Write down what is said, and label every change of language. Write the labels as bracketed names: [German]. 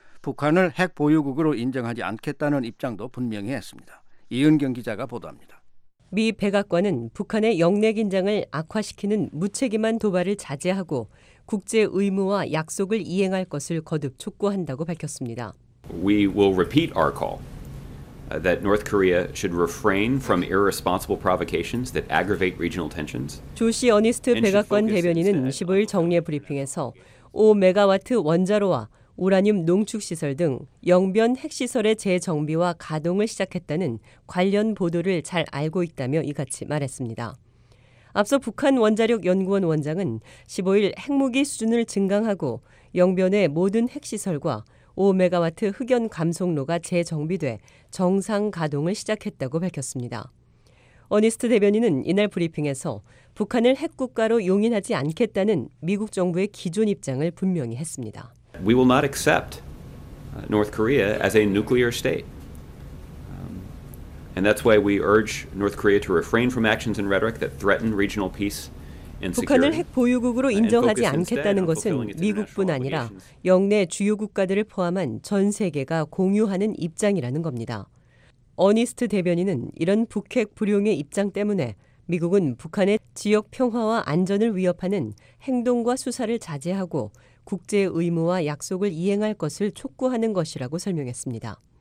[Korean] 북한을 핵 보유국으로 인정하지 않겠다는 입장도 분명히 했습니다. 이은경 기자가 보도합니다. 미 백악관은 북한의 영내 긴장을 악화시키는 무책임한 도발을 자제하고 국제 의무와 약속을 이행할 것을 거듭 촉구한다고 밝혔습니다. [English] We will repeat our call that North Korea should refrain from irresponsible provocations that aggravate regional tensions. [Korean] 조시 어니스트 백악관 대변인은 15일 정례 브리핑에서 5메가와트 원자로와 우라늄 농축시설 등 영변 핵시설의 재정비와 가동을 시작했다는 관련 보도를 잘 알고 있다며 이같이 말했습니다. 앞서 북한 원자력연구원 원장은 15일 핵무기 수준을 증강하고 영변의 모든 핵시설과 5메가와트 흑연 감속로가 재정비돼 정상 가동을 시작했다고 밝혔습니다. 어니스트 대변인은 이날 브리핑에서 북한을 핵국가로 용인하지 않겠다는 미국 정부의 기존 입장을 분명히 했습니다. [English] We will not accept North Korea as a nuclear state. And that's why we urge North Korea to refrain from actions and rhetoric that threaten regional peace and security. [Korean] 북한을 핵 보유국으로 인정하지 않겠다는 것은 미국뿐 아니라 영내 주요 국가들을 포함한 전 세계가 공유하는 입장이라는 겁니다. 어니스트 대변인은 이런 북핵 불용의 입장 때문에 미국은 북한의 지역 평화와 안전을 위협하는 행동과 수사를 자제하고 국제 의무와 약속을 이행할 것을 촉구하는 것이라고 설명했습니다.